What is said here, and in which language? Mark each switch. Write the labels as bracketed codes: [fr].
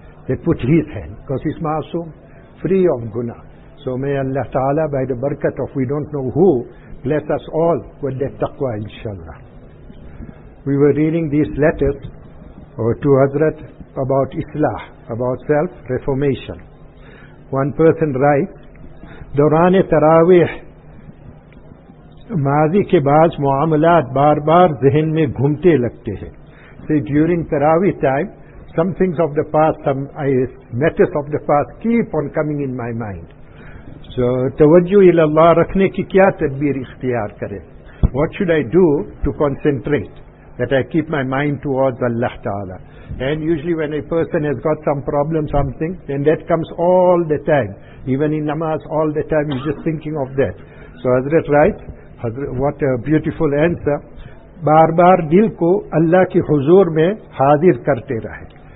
[en] They put his hand, because he's masoom, free of guna. So may Allah Ta'ala, by the barakat of we don't know who, bless us all with that taqwa, inshallah. We were reading these letters to Hazrat about Islah, about self-reformation. One person writes, [ur] دوران تراویح ماضی کے بعض معاملات بار بار ذہن میں گھومتے لگتے ہیں. [en] See, during تراویح time, some things of the past, some matters of the past keep on coming in my mind. So, [ur] توجہ اللہ رکھنے کی کیا تدبیر اختیار کرے? [en] What should I do to concentrate, that I keep my mind towards Allah Ta'ala? And usually when a person has got some problem, something, then that comes all the time. Even in namaz, all the time, you're just thinking of that. So Hazrat writes, what a beautiful answer. [ur] Bar bar dil ko Allah ki huzoor mein hazir karte rahe.